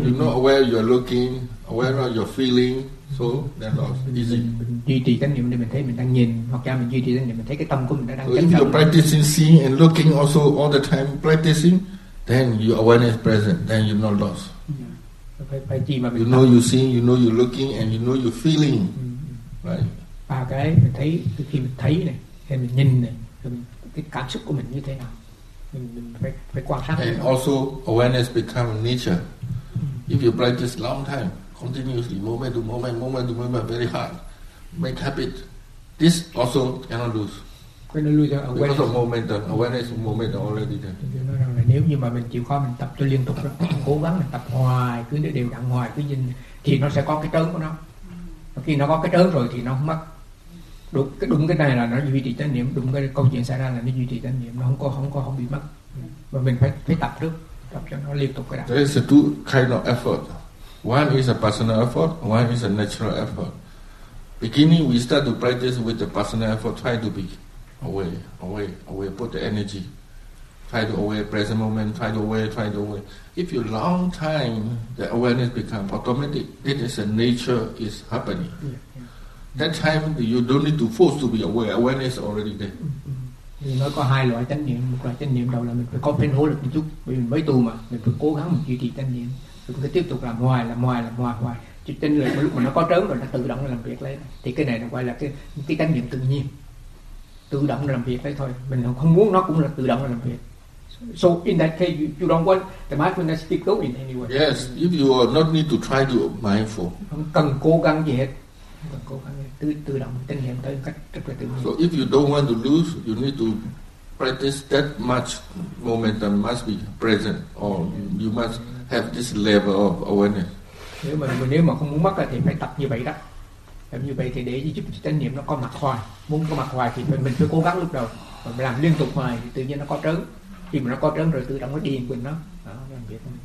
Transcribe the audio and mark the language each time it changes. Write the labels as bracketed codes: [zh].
[en] you know where you're looking, aware of your feeling. So that's easy. [vi] Mình duy trì chánh niệm để mình thấy mình đang nhìn, hoặc là mình duy trì chánh niệm mình thấy cái tâm của mình đang chấn động. [en] If you're practicing seeing and looking also all the time practicing, then your awareness present, then you're not lost. You know you're seeing, you know you're looking, and you know you're feeling, right? [vi] Ba cái mình thấy, từ khi mình thấy này, khi mình nhìn này, cái cảm xúc của mình như thế nào, mình phải quan sát. [en] And also awareness become nature. If you practice long time. Continuously, moment to moment, very hard. Make habit. This also cannot lose. Because of momentum, awareness of momentum already there. [vi] Nếu như mà mình chịu khó, mình tập cho liên tục, cố gắng mình tập hoài, cứ để đều đặn hoài, cứ nhìn, thì nó sẽ có cái trớn của nó. Khi nó có cái trớn rồi thì nó không mất. Đúng cái này là nó duy trì chánh niệm, đúng cái câu chuyện xảy ra là nó duy trì chánh niệm, nó không bị mất. Và mình phải tập trước, tập cho nó liên tục cái đó. [en] There is a two kind of effort. One is a personal effort, one is a natural effort. Beginning, we start to practice with the personal effort, try to be aware, put the energy. Try to aware, present moment, try to aware. If you long time, the awareness becomes automatic. It is a nature, is happening. Yeah. That time, you don't need to force to be aware, awareness already there. Mm-hmm. [vi] Thì nó có hai loại chánh niệm, một loại chánh niệm đầu là mình phải có phải nỗ lực một chút, vì mình mới tu mà, mình phải cố gắng mình duy trì chánh niệm. Chúng ta tiếp tục làm ngoài. Chứ trên lời lúc mà nó có trớn rồi, nó tự động nó làm việc lấy. Thì cái này nó gọi là cái chánh niệm tự nhiên. Tự động nó làm việc lấy thôi. Mình không muốn nó cũng là tự động nó làm việc. [en] So in that case, you don't want the mindfulness to keep going anyway. Yes, if you are not need to try to mindful. [vi] Không cần cố gắng gì hết. Không cần cố gắng gì hết. Tự động chánh niệm tới cách rất là tự nhiên. [en] So if you don't want to lose, you need to practice that much momentum must be present. Or you must have this level of awareness. [vi] Nếu mà không muốn mất thì phải tập như vậy đó. làm như vậy thì để giúp cho chánh niệm nó có mặt hoài. Muốn có mặt hoài thì mình phải cố gắng lúc đầu, mình làm liên tục hoài thì tự nhiên nó có trớn. Khi mà nó có trớn rồi tự động nó điền quyền nó. Đó, làm việc.